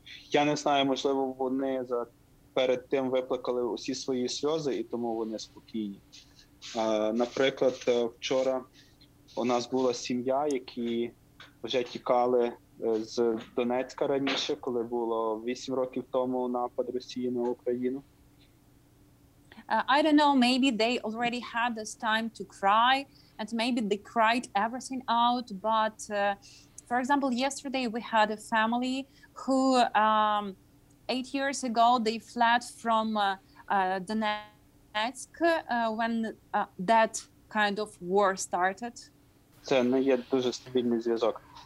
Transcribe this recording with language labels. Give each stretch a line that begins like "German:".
Ukrainian: Я не знаю, можливо, вони за перед тим виплакали усі свої сльози і тому вони спокійні. Наприклад, вчора у нас була сім'я, які вже тікали з Донецька раніше, коли було 8 років тому напад Росії на Україну.
English: I don't know, maybe they already had this time to cry and maybe they cried everything out, but for example, yesterday we had a family who 8 years ago they fled from Донецьк when that kind of war started.
Ukrainian: Це не є дуже стабільний зв'язок.